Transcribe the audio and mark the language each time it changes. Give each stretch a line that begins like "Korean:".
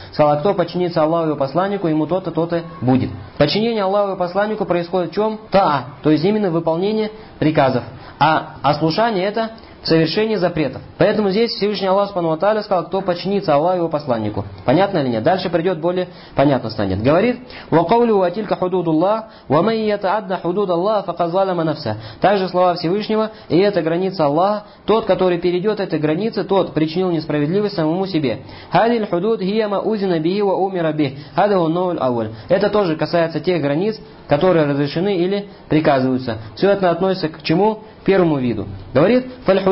Russian: Сказал, а кто подчинится Аллаху и посланнику, ему то-то, то-то будет. Подчинение Аллаху и посланнику происходит в чем? Таа, то есть именно выполнение приказов. А ослушание это совершение запретов. Поэтому здесь Всевышний Аллах Субхану ва Тааля сказал, кто подчинится Аллаху и его посланнику. Понятно или нет? Дальше придет более понятно станет.
Arabic: Говорит, وَقَوْلُهُ وَتِلْكَ حُدُودُ اللَّهِ وَمَنْ يَتَعَدَّ حُدُودَ اللَّهِ فَقَدْ ظَلَمَ نَفْسَهُ.
Russian: Также слова Всевышнего, и это граница Аллаха, тот, который перейдет этой границы, тот причинил несправедливость самому себе.
Arabic: هَذِي الْحُدُودُ هِيَ مَا أُذِنَ بِهِ وَأُمِرَ بِهِ هَذَا هُوَ النَّهْيُ الْأَوَّلُ.
Russian: Это тоже касается тех границ, которые разрешены или приказываются. Все это относится к чему? Первому виду. Говорит, فَالْحُدُودُ